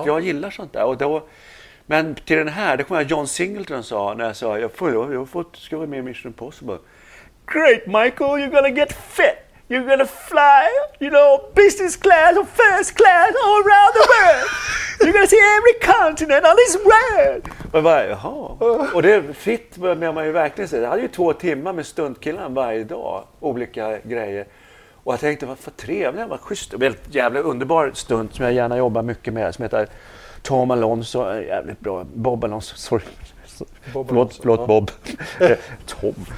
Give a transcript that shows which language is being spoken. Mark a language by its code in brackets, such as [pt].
[sv] Att jag gillar sånt där. Och då, men till den här, det kom jag, John Singleton sa när jag sa jag ska vara med i Mission Impossible. [en] Great Michael, you're gonna get fit. You're gonna fly, you know, business class or first class all around the world. You're gonna see every continent on this world. [sv] Men bara, jaha. Och det är fit med man ju verkligen ser. Jag hade ju 2 timmar med stuntkillarna varje dag. Olika grejer. Och jag tänkte, vad för trevligt, vad schysst. Och en jävla underbar stunt som jag gärna jobbar mycket med. Som heter Tom Alonso. Jävligt bra. Bob Alonso, sorry. Förlåt Bob. Tom.